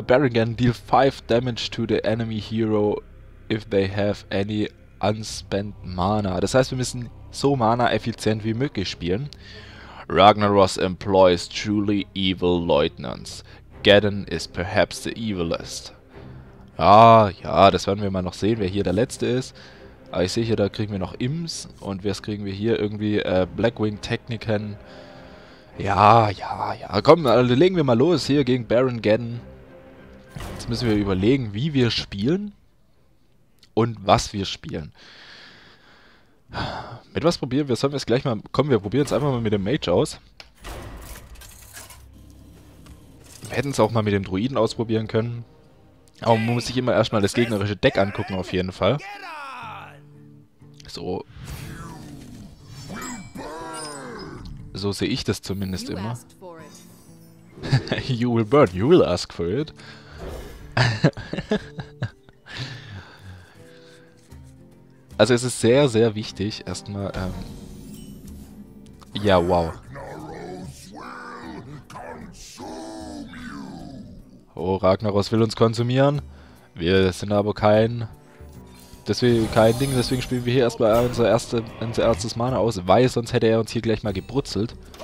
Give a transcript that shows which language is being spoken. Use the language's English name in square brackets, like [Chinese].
[English] Baron Geddon, deal 5 damage to the enemy hero if they have any unspent mana. [German] Das heißt, wir müssen so mana effizient wie möglich spielen. [English] Ragnaros employs truly evil lieutenants. Geddon is perhaps the evilest. [German] Ah, ja, das werden wir mal noch sehen, wer hier der Letzte ist. Aber ich sehe hier, da kriegen wir noch Imps. Und was kriegen wir hier? Irgendwie Blackwing Techniken. Ja. Komm, also legen wir mal los hier gegen Baron Geddon. Jetzt müssen wir überlegen, wie wir spielen. Und was wir spielen. Mit was probieren wir? Sollen wir es gleich mal... Komm, wir probieren es einfach mal mit dem Mage aus. Wir hätten es auch mal mit dem Druiden ausprobieren können. Aber man muss sich immer erstmal das gegnerische Deck angucken, auf jeden Fall. So. So sehe ich das zumindest immer. [English] You will burn, you will ask for it. [German] Also es ist sehr, sehr wichtig, erstmal, ja, wow. Oh, Ragnaros will uns konsumieren. Wir sind aber kein Ding, deswegen spielen wir hier erstmal unser erstes Mana aus, weil sonst hätte er uns hier gleich mal gebrutzelt.